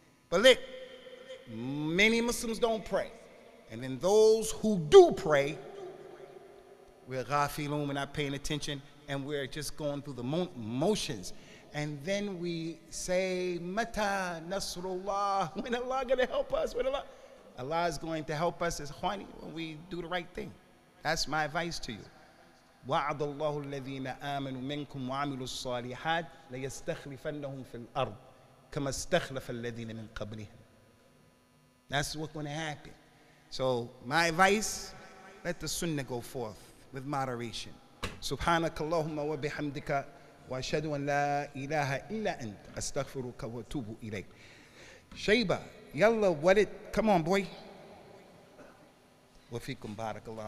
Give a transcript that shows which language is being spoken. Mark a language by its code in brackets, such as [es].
[en] But look, many Muslims don't pray. And then those who do pray, we're ghafilun, we're not paying attention, and we're just going through the motions. And then we say, Mata Nasrullah, when Allah gonna help us? When Allah is going to help us as Khwani when we do the right thing. That's my advice to you. [ar] وعد الله الذين آمنوا منكم وعملوا الصالحات ليستخلفنهم في الأرض كما استخلف الذين من قبلهم. [en] That's what's going to happen. So my advice, let the sunnah go forth with moderation. [ar] سبحانك اللهم وبحمدك وأشهد أن لا إله إلا أنت أستغفرك وأتوب إليك. شيبة يلا ولد, [en] come on boy. [ar] وفيكم بارك الله.